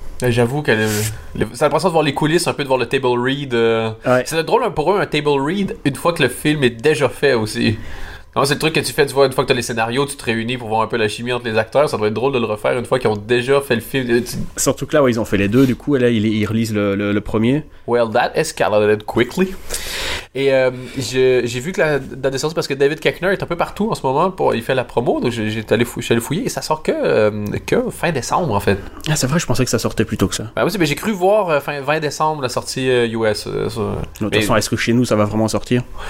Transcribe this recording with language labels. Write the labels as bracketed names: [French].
[French] J'avoue que ça a l'impression de voir les coulisses, un peu de voir le table read. Ouais. C'est drôle pour eux un table read une fois que le film est déjà fait aussi. Non, c'est le truc que tu fais, tu vois, une fois que t'as les scénarios, tu te réunis pour voir un peu la chimie entre les acteurs. Ça doit être drôle de le refaire une fois qu'ils ont déjà fait le film. Surtout que là, ouais, ils ont fait les deux, du coup, et là, ils relisent le premier. [English] Well, that escalated quickly. [French] Et j'ai vu que la date de sortie, parce que David Koechner est un peu partout en ce moment, il fait la promo, donc j'étais allé fouiller, et ça sort que fin décembre, en fait. Ah, c'est vrai, je pensais que ça sortait plus tôt que ça. Ben oui, mais j'ai cru voir fin 20 décembre la sortie US. De toute façon, est-ce que chez nous, ça va vraiment sortir?